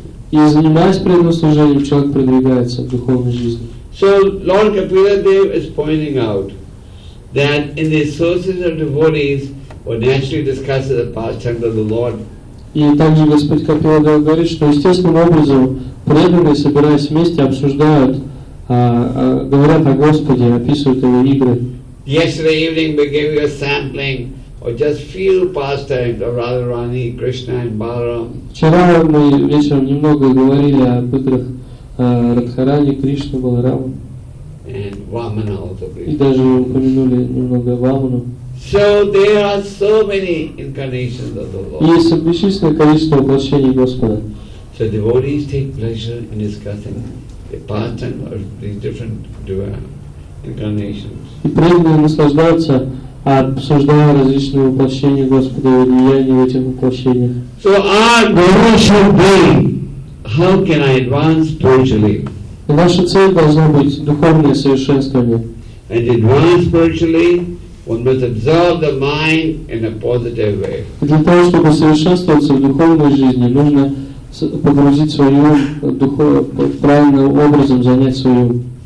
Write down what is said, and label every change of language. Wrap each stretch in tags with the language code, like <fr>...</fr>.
<ru>И занимаясь преданным служением, человек продвигается в духовной жизни.</ru> <en>So Lord Kapila Dev is pointing out that in the sources of devotees were naturally discussed the pastimes of the Lord.</en> <ru>И также Господь Капила Дев говорит, что естественным образом преданные, собираясь вместе, обсуждают говорят о Господе, описывают его игры.</ru> <en>Yesterday evening we gave you a sampling or just few pastimes of Radharani, Krishna and Balaram.</en> <ru>Вчера мы вечером немного говорили об играх Радхарани, Кришны, Баларама.</ru> <en>And Vamana also.</en> <ru>И даже упомянули немного Ваману.</ru> <en>So there are so many incarnations of the Lord.</en> <ru>Есть бесчисленное количество воплощений Господа.</ru> <en>So devotees take pleasure in discussing pastime of these different incarnations.</en> <ru>И преданные наслаждаются, обсуждая различные воплощения Господа и влияние в этих воплощениях.</ru> <en>So our goal should be, how can I advance spiritually?</en> <ru>И наша цель должна быть духовное совершенствование.</ru> <en>And advance spiritually, one must observe the mind in a positive way.</en> <ru>И для того, чтобы совершенствоваться в духовной жизни, нужно погрузить свой ум правильным образом, занять свой ум.</ru>